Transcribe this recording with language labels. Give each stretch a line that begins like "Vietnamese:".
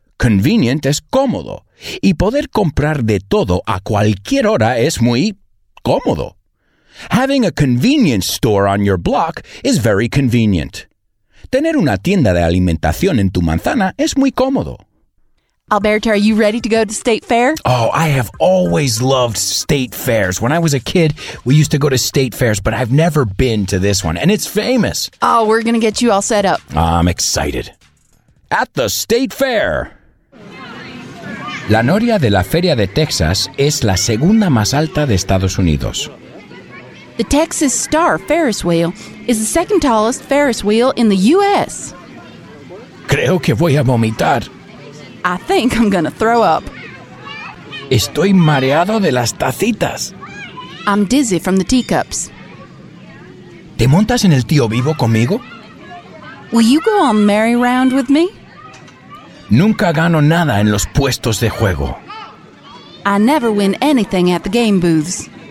Spanish: Convenient es cómodo, y poder comprar de todo a cualquier hora es muy cómodo.
English: Having a convenience store on your block is very convenient.
Spanish: Tener una tienda de alimentación en tu manzana es muy cómodo.
English: Alberto, are you ready to go to State Fair? Oh, I have always loved State Fairs. When I was a kid, we used to go to State Fairs, but I've never been to this one, and it's famous. Oh, we're going to get you all set up. I'm excited. At the State Fair.
Spanish: La noria de la Feria de Texas es la segunda más alta de Estados Unidos.
English: The Texas Star Ferris Wheel is the second tallest Ferris wheel in the U.S.
Spanish: Creo que voy a vomitar.
English: I think I'm gonna throw up.
Spanish: Estoy mareado de las tacitas.
English: I'm dizzy from the teacups.
Spanish: ¿Te montas en el tío vivo conmigo?
English: Will you go on merry round with me?
Spanish: Nunca gano nada en los puestos de juego.
English: I never win anything at the game booths.